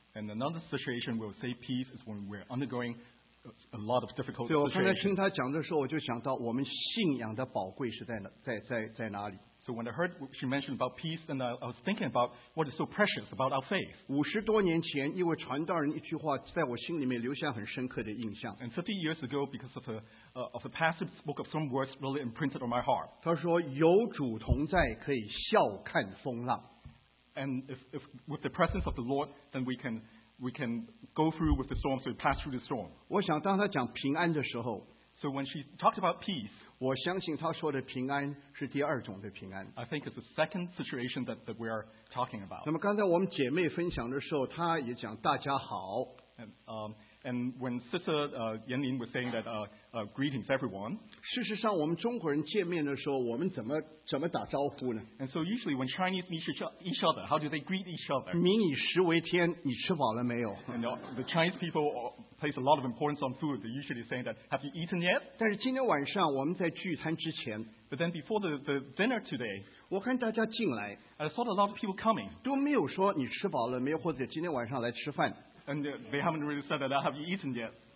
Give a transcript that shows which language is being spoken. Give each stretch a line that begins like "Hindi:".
English: And another situation we'll say peace is when we're undergoing a lot of difficult situations.
Chinese: 对，我刚才听他讲的时候，我就想到我们信仰的宝贵是在哪里。
English: So when I heard she mentioned about peace, then I was thinking about what is so precious about our faith.
Chinese: 50多年前，一位传道人一句话在我心里面留下很深刻的印象。
English: And 50 years ago, because of a passage, spoke of some words really imprinted on my heart.
Chinese: 他说，有主同在，可以笑看风浪。
English: And if with the presence of the Lord, then we can go through with the storm, so we pass through the storm.
Chinese: 我想当他讲平安的时候。
English: So when she talked about peace,
Chinese: 我相信她说的平安是第二种的平安。
English: I think it's the second situation that we are talking about.
Chinese: 那么刚才我们姐妹分享的时候, 她也讲大家好。
English: And when Sister Yanlin was saying that greetings everyone.
Chinese: 事实上我们中国人见面的时候, 我们怎么打招呼呢?
English: And so usually when Chinese meet each other, how do they greet each other?
Chinese: 民以食为天, 你吃饱了没有?
English: And the Chinese people place a lot of importance on food. They usually saying that, have you eaten yet?
Chinese: 但是今天晚上我们在聚餐之前,
English: but then before the dinner today,
Chinese: 我看大家进来,
English: I saw a lot of people coming.
Chinese: 都没有说你吃饱了没有, 或者今天晚上来吃饭。
English: And they haven't really said that, have you eaten yet?